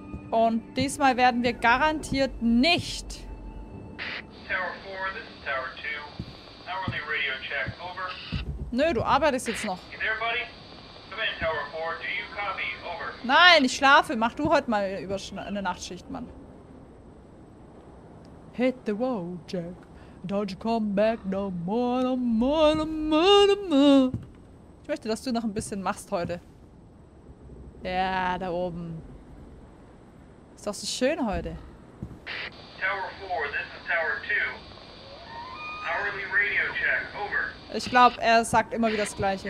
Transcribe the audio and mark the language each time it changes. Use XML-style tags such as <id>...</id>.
<de>Und diesmal werden wir garantiert nicht.</de> <en>Tower 4, this is Tower 2. Hourly radio check, over.</en> <de>Nö, du arbeitest jetzt noch.</de> <en>You there, buddy? Come in, Tower 4, do you copy? Over.</en> <de>Nein, ich schlafe. Mach du heute mal über eine Nachtschicht, Mann.</de> <en>Hit the road, Jack. Don't you come back no more, no more, no more, no more.</en> <de>Ich möchte, dass du noch ein bisschen machst heute. Ja, da oben. Ist doch so schön heute.</de> <en>Tower 4, this is Tower 2. Hourly radio check, over.</en> <de>Ich glaube, er sagt immer wieder das Gleiche.</de>